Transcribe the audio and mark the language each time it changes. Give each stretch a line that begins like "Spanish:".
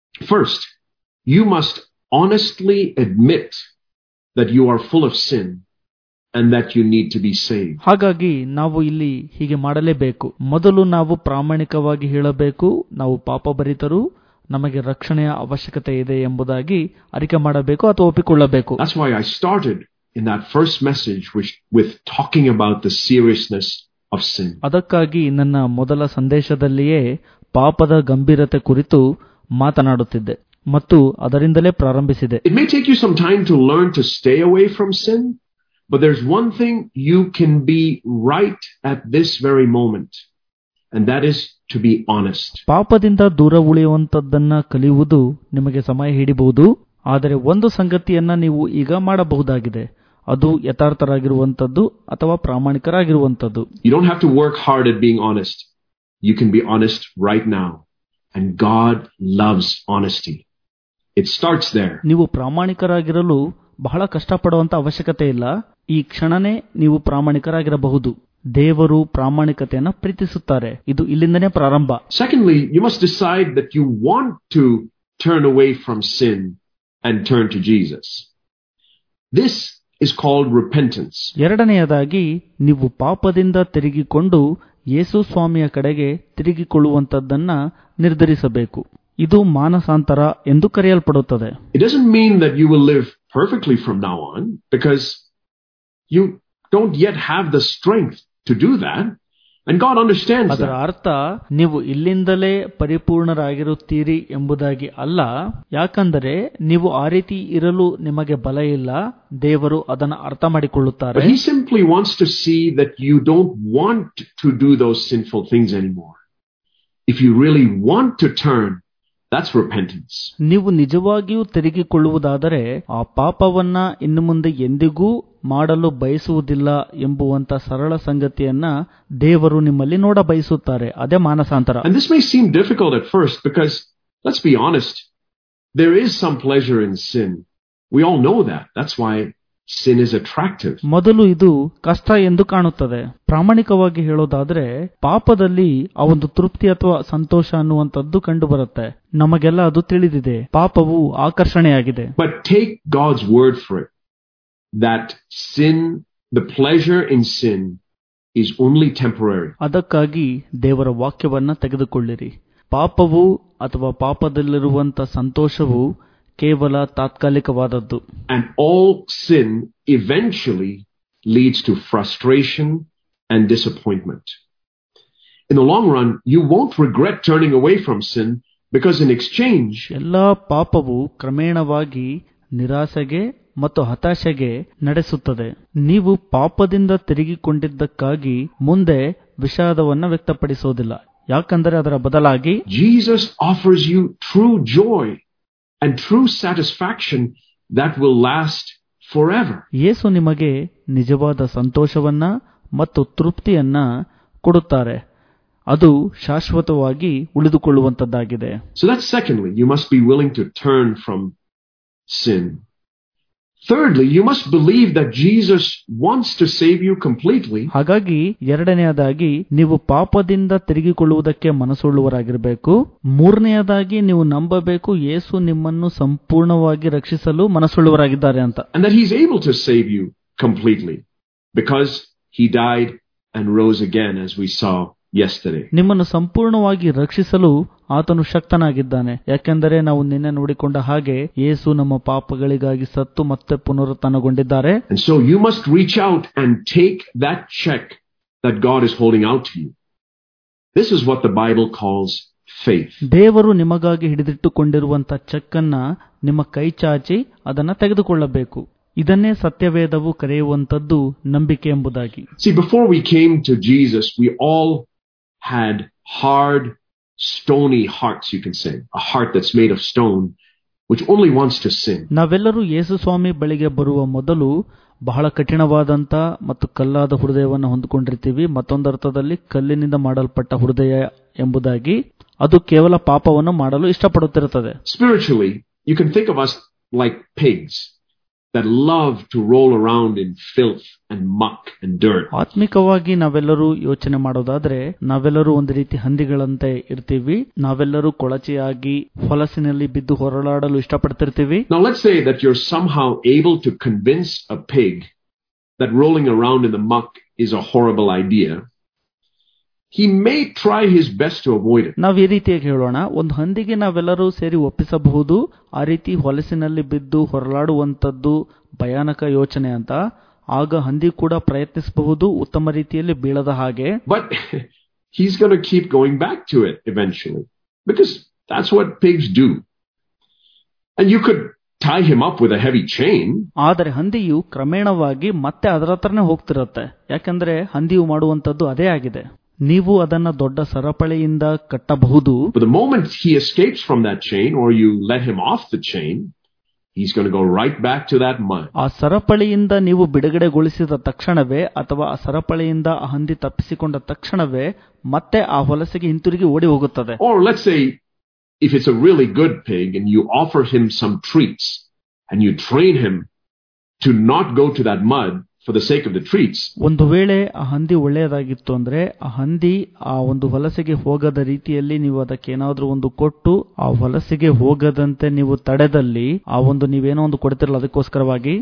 English: First, you must honestly admit that you are full of sin and that you need to be saved.
Kannada: ಹಾಗಾಗಿ ನಾವು ಇಲ್ಲಿ ಹೀಗೆ ಮಾಡಲೇಬೇಕು. ಮೊದಲು ನಾವು ಪ್ರಾಮಾಣಿಕವಾಗಿ ಹೇಳಬೇಕು ನಾವು ಪಾಪ ಭರಿತರು, ನಮಗೆ ರಕ್ಷಣೆಯ ಅವಶ್ಯಕತೆ ಇದೆ ಎಂಬುದಾಗಿ ಅರಿಕೆ ಮಾಡಬೇಕು ಅಥವಾ ಒಪ್ಪಿಕೊಳ್ಳಬೇಕು.
English: That's why I started in that first message with talking about the seriousness of sin.
Kannada: ಅದಕ್ಕಾಗಿ ನನ್ನ ಮೊದಲ ಸಂದೇಶದಲ್ಲಿಯೇ ಪಾಪದ ಗಂಭೀರತೆ ಕುರಿತು ಮಾತನಾಡುತ್ತಿದ್ದೆ ಮತ್ತು ಅದರಿಂದಲೇ ಪ್ರಾರಂಭಿಸಿದೆ.
English: It may take you some time to learn to stay away from sin. But there's one thing you can be right at this very moment, and that is to be honest.
Kannada: ಪಾಪದಿಂದ ದೂರ ಉಳಿಯುವಂತದ್ದನ್ನ ಕಲಿಯುವುದು ನಿಮಗೆ ಸಮಯ ಹಿಡಿಬಹುದು, ಆದರೆ ಒಂದು ಸಂಗತಿಯನ್ನ ನೀವು ಈಗ ಮಾಡಬಹುದಾಗಿದೆ, ಅದು ಯಥಾರ್ಥರಾಗಿರುವಂತದ್ದು ಅಥವಾ ಪ್ರಾಮಾಣಿಕರಾಗಿರುವಂತದ್ದು.
English: You don't have to work hard at being honest. You can be honest right now, and God loves honesty. It starts there.
Kannada: ನೀವು ಪ್ರಾಮಾಣಿಕರಾಗಿರಲು ಬಹಳ ಕಷ್ಟಪಡುವಂತ ಅವಶ್ಯಕತೆ ಇಲ್ಲ, ಈ ಕ್ಷಣನೇ ನೀವು ಪ್ರಾಮಾಣಿಕರಾಗಿರಬಹುದು. ದೇವರು ಪ್ರಾಮಾಣಿಕತೆಯನ್ನ ಪ್ರೀತಿಸುತ್ತಾರೆ, ಇದು ಇಲ್ಲಿಂದನೇ ಪ್ರಾರಂಭ.
English: Secondly, you must decide that you want to turn away from sin and turn to Jesus. This is called repentance.
Kannada: ಎರಡನೆಯದಾಗಿ ನೀವು ಪಾಪದಿಂದ ತಿರುಗಿಕೊಂಡು ಯೇಸು ಸ್ವಾಮಿಯ ಕಡೆಗೆ ತಿರುಗಿಕೊಳ್ಳುವಂತದ್ದನ್ನ ನಿರ್ಧರಿಸಬೇಕು. ಇದು ಮಾನಸಾಂತರ ಎಂದು ಕರೆಯಲ್ಪಡುತ್ತದೆ.
English: It doesn't mean that you will live perfectly from now on, because you don't yet have the strength to do that, And God understands that.
Kannada: ಅದರ ಅರ್ಥ ನೀವು ಇಲ್ಲಿಂದಲೇ ಪರಿಪೂರ್ಣರಾಗಿರುತ್ತೀರಿ ಎಂಬುದಾಗಿ ಅಲ್ಲ, ಯಾಕಂದರೆ ನೀವು ಆ ರೀತಿ ಇರಲು ನಿಮಗೆ ಬಲ ಇಲ್ಲ. ದೇವರು ಅದನ್ನು ಅರ್ಥ ಮಾಡಿಕೊಳ್ಳುತ್ತಾರೆ.
English: He simply wants to see that you don't want to do those sinful things anymore. If you really want to turn, that's repentance.
Kannada: ನೀವು ನಿಜವಾಗಿಯೂ ತಿರುಗಿಕೊಳ್ಳುವುದಾದರೆ ಆ ಪಾಪವನ್ನ ಇನ್ನು ಮುಂದೆ ಎಂದಿಗೂ ಮಾಡಲು ಬಯಸುವುದಿಲ್ಲ ಎಂಬುವಂತ ಸರಳ ಸಂಗತಿಯನ್ನ ದೇವರು ನಿಮ್ಮಲ್ಲಿ ನೋಡ ಬಯಸುತ್ತಾರೆ. ಅದೇ ಮಾನಸಾಂತರ.
English: And this may seem difficult at first because, let's be honest, there is some pleasure in sin. We all know that. That's why sin is attractive.
Kannada: ಮೊದಲು ಇದು ಕಷ್ಟ ಎಂದು ಕಾಣುತ್ತದೆ. ಪ್ರಾಮಾಣಿಕವಾಗಿ ಹೇಳೋದಾದ್ರೆ ಪಾಪದಲ್ಲಿ ಆ ಒಂದು ತೃಪ್ತಿ ಅಥವಾ ಸಂತೋಷ ಅನ್ನುವಂಥದ್ದು ಕಂಡು ಬರುತ್ತೆ. ನಮಗೆಲ್ಲ ಅದು ತಿಳಿದಿದೆ, ಪಾಪವು ಆಕರ್ಷಣೆಯಾಗಿದೆ.
English: But take God's word for it. That sin, the pleasure in sin, is only temporary.
Kannada: ಅದಕ್ಕಾಗಿ ದೇವರ ವಾಕ್ಯವನ್ನ ತೆಗೆದುಕೊಳ್ಳಿರಿ. ಪಾಪವು ಅಥವಾ ಪಾಪದಲ್ಲಿರುವಂತ ಸಂತೋಷವು ಕೇವಲ ತಾತ್ಕಾಲಿಕವಾದದ್ದು.
English: And all sin eventually leads to frustration and disappointment. In the long run, you won't regret turning away from sin because in exchange,
Kannada: ಎಲ್ಲಾ ಪಾಪವು ಕ್ರಮೇಣವಾಗಿ ನಿರಾಸೆಗೆ ಮತ್ತು ಹತಾಶೆಗೆ ನಡೆಸುತ್ತದೆ. ನೀವು ಪಾಪದಿಂದ ತಿರುಗಿಕೊಂಡಿದ್ದಕ್ಕಾಗಿ ಮುಂದೆ ವಿಷಾದವನ್ನು ವ್ಯಕ್ತಪಡಿಸುವುದಿಲ್ಲ, ಯಾಕಂದರೆ ಅದರ ಬದಲಾಗಿ
English: Jesus offers you true joy and true satisfaction that will last forever.
Kannada: ಯೇಸು ನಿಮಗೆ ನಿಜವಾದ ಸಂತೋಷವನ್ನ ಮತ್ತು ತೃಪ್ತಿಯನ್ನ ಕೊಡುತ್ತಾರೆ, ಅದು ಶಾಶ್ವತವಾಗಿ ಉಳಿದುಕೊಳ್ಳುವಂತದ್ದಾಗಿದೆ.
English: So that's secondly, you must be willing to turn from sin. Thirdly, you must believe that Jesus wants to save you completely.
Kannada: ಹಾಗಾಗಿ ಎರಡನೆಯದಾಗಿ ನೀವು ಪಾಪದಿಂದ ತಿರುಗಿಕೊಳ್ಳುವುದಕ್ಕೆ ಮನಸ್ಸುಳ್ಳುವರಾಗಿರಬೇಕು. ಮೂರನೆಯದಾಗಿ ನೀವು ನಂಬಬೇಕು ಯೇಸು ನಿಮ್ಮನ್ನು ಸಂಪೂರ್ಣವಾಗಿ ರಕ್ಷಿಸಲು ಮನಸ್ಸುಳ್ಳುವರಾಗಿದ್ದಾರೆ ಅಂತ.
English: And that he's able to save you completely because he died and rose again as we saw yesterday.
Kannada: ನಿಮ್ಮನ್ನು ಸಂಪೂರ್ಣವಾಗಿ ರಕ್ಷಿಸಲು ಆತನು ಶಕ್ತನಾಗಿದ್ದಾನೆ, ಯಾಕೆಂದರೆ ನಾವು ನಿನ್ನೆ ನೋಡಿಕೊಂಡ ಹಾಗೆ ಯೇಸು ನಮ್ಮ ಪಾಪಗಳಿಗಾಗಿ ಸತ್ತು ಮತ್ತೆ ಪುನರುತ್ಥಾನಗೊಂಡಿದ್ದಾರೆ.
English: And so you must reach out and take that check that God is holding out to you. This is what the Bible calls faith.
Kannada: ದೇವರು ನಿಮಗಾಗಿ ಹಿಡಿದಿಟ್ಟುಕೊಂಡಿರುವಂತಹ ಚೆಕ್ ಅನ್ನ ನಿಮ್ಮ ಕೈ ಚಾಚಿ ಅದನ್ನ ತೆಗೆದುಕೊಳ್ಳಬೇಕು. ಇದನ್ನೇ ಸತ್ಯವೇದವು ಕರೆಯುವಂತದ್ದು ನಂಬಿಕೆ ಎಂಬುದಾಗಿ.
English: See, before we came to Jesus, we all had hard, stony hearts, you can say. A heart that's made of stone, which only wants to sin.
Kannada: ನಾವೆಲ್ಲರೂ ಯೇಸು ಸ್ವಾಮಿ ಬಳಿಗೆ ಬರುವ ಮೊದಲು ಬಹಳ ಕಠಿಣವಾದಂತಹ ಮತ್ತು ಕಲ್ಲಾದ ಹೃದಯವನ್ನು ಹೊಂದಿಕೊಂಡಿರ್ತೀವಿ. ಮತ್ತೊಂದರ್ಥದಲ್ಲಿ ಕಲ್ಲಿನಿಂದ ಮಾಡಲ್ಪಟ್ಟ ಹೃದಯ ಎಂಬುದಾಗಿ, ಅದು ಕೇವಲ ಪಾಪವನ್ನು ಮಾಡಲು ಇಷ್ಟಪಡುತ್ತಿರುತ್ತದೆ.
English: Spiritually, you can think of us like pigs. That love to roll around in filth and muck and dirt.
Kannada: ಆತ್ಮಿಕವಾಗಿ ನಾವೆಲ್ಲರು ಯೋಚನೆ ಮಾಡೋದಾದ್ರೆ ನಾವೆಲ್ಲರೂ ಒಂದು ರೀತಿ ಹಂದಿಗಳಂತೆ ಇರ್ತೀವಿ. ನಾವೆಲ್ಲರೂ ಕೊಳಚೆಯಾಗಿ ಹೊಲಸಿನಲ್ಲಿ ಬಿದ್ದು ಹೊರಳಾಡಲು ಇಷ್ಟಪಡ್ತಿರ್ತೀವಿ.
English: Now let's say that you're somehow able to convince a pig that rolling around in the muck is a horrible idea. He may try his best to avoid it.
Kannada: ನಾವು ಈ ರೀತಿಯಾಗಿ ಹೇಳೋಣ, ಒಂದು ಹಂದಿಗೆ ನಾವೆಲ್ಲರೂ ಸೇರಿ ಒಪ್ಪಿಸಬಹುದು ಆ ರೀತಿ ಹೊಲಸಿನಲ್ಲಿ ಬಿದ್ದು ಹೊರಳಾಡುವಂತದ್ದು ಭಯಾನಕ ಯೋಚನೆ ಅಂತ. ಆಗ ಹಂದಿ ಕೂಡ ಪ್ರಯತ್ನಿಸಬಹುದು ಉತ್ತಮ ರೀತಿಯಲ್ಲಿ ಬೀಳದ ಹಾಗೆ.
English: But he's going to keep going back to it eventually because that's what pigs do. And you could tie him up with a heavy chain.
Kannada: ಆದರೆ ಹಂದಿಯು ಕ್ರಮೇಣವಾಗಿ ಮತ್ತೆ ಅದರ ಹತ್ರನೇ ಹೋಗ್ತಿರುತ್ತೆ, ಯಾಕಂದ್ರೆ ಹಂದಿಯು ಮಾಡುವಂತದ್ದು ಅದೇ ಆಗಿದೆ. ನೀವು ಅದನ್ನ ದೊಡ್ಡ ಸರಪಳಿಯಿಂದ ಕಟ್ಟಬಹುದು.
English: But the moment he escapes from that chain or you let him off the chain, he's going to go right back to that mud.
Kannada: ಆ ಸರಪಳಿಯಿಂದ ನೀವು ಬಿಡುಗಡೆಗೊಳಿಸಿದ ತಕ್ಷಣವೇ ಅಥವಾ ಆ ಸರಪಳಿಯಿಂದ ಆ ಹಂದಿ ತಪ್ಪಿಸಿಕೊಂಡ ತಕ್ಷಣವೇ ಮತ್ತೆ ಆ ಹೊಲಸಿಗೆ ಹಿಂತಿರುಗಿ ಓಡಿ ಹೋಗುತ್ತದೆ.
English: Or let's say if it's a really good pig and you offer him some treats and you train him to not go to that mud for the sake of the treats.
Kannada: ಒಂದು ವೇಳೆ ಆ ಹಂದಿ ಒಳ್ಳೆಯದಾಗಿತ್ತು ಅಂದ್ರೆ ಆ ಹಂದಿ ಆ ಒಂದು ಹೊಲಸಿಗೆ ಹೋಗದ ರೀತಿಯಲ್ಲಿ ನೀವು ಅದಕ್ಕೆ ಏನಾದರೂ ಒಂದು ಕೊಟ್ಟು ಆ ಹೊಲಸಿಗೆ ಹೋಗದಂತೆ ನೀವು ತಡೆದಲ್ಲಿ ಆ ಒಂದು ನೀವೇನೋ ಒಂದು ಕೊಡ್ತಿರಲ್ಲ ಅದಕ್ಕೋಸ್ಕರವಾಗಿ.